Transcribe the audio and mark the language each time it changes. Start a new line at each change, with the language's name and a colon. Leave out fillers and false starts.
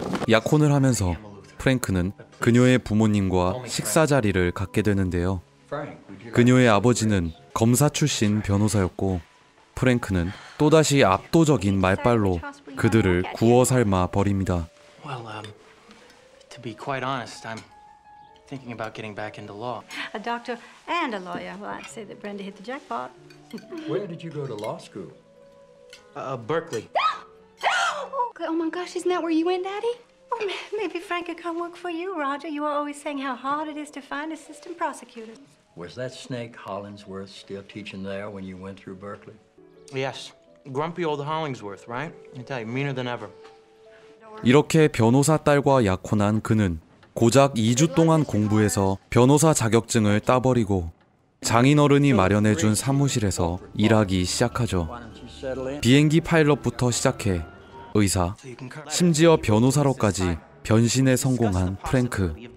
Korean: 약혼을 하면서 프랭크는 그녀의 부모님과 식사 자리를 갖게 되는데요. 그녀의 아버지는 검사 출신 변호사였고 프랭크는 또다시 압도적인 말발로 그들을 구워 삶아 버립니다.
English: Well, to be quite honest, I'm thinking about getting back into law. A doctor and a lawyer. Well, I'd say that Brenda hit the jackpot. Where did you go to law school? Berkeley. Oh my gosh, isn't that where you went, Daddy? Maybe Frank could come work for you, Roger. You are always saying how hard it is to find assistant prosecutors. Was that snake Hollinsworth still teaching there when you went through Berkeley? Yes. Grumpy old Hollingsworth, right? I tell you, meaner than ever.
Korean: 이렇게 변호사 딸과 약혼한 그는 고작 2주 동안 공부해서 변호사 자격증을 따버리고 장인어른이 마련해준 사무실에서 일하기 시작하죠. 비행기 파일럿부터 시작해 의사, 심지어 변호사로까지 변신에 성공한 프랭크.